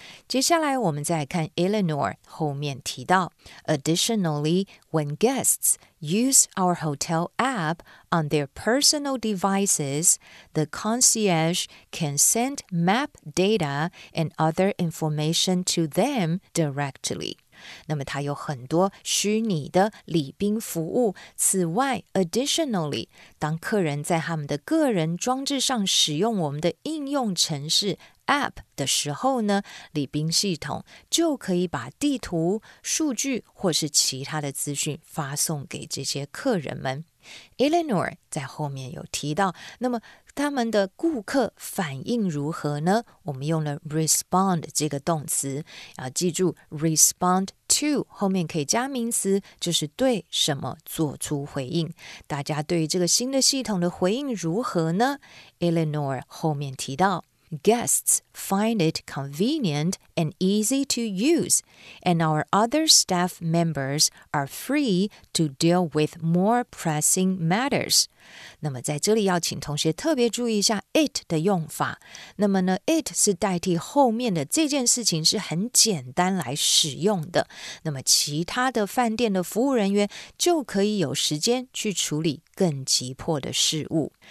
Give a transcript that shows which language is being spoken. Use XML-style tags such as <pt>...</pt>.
<zh>接下来我们再看</zh> <en>Eleanor</en> <zh>后面提到</zh> <en>Additionally, when guests use our hotel app on their personal devices, the concierge can send map data and other information to them directly.</en> <zh>那么它有很多虚拟的礼宾服务。此外 ,additionally, 当客人在他们的个人装置上使用我们的应用程式 App 的时候呢，礼宾系统就可以把地图、数据或是其他的资讯发送给这些客人们。 Eleanor 在后面有提到，那么他们的顾客反应如何呢？我们用了 respond 这个动词，要记住 respond to 后面可以加名词，就是对什么做出回应。大家对于这个新的系统的回应如何呢？</zh> <en>Eleanor</en> <zh>后面提到</zh> <en>Guests find it convenient and easy to use, and our other staff members are free to deal with more pressing matters.</en> <zh>那么在这里要请同学特别注意一下 it 的用法。那么呢 it 是代替后面的，这件事情是很简单来使用的。那么其他的饭店的服务人员就可以有时间去处理更急迫的事物。</zh>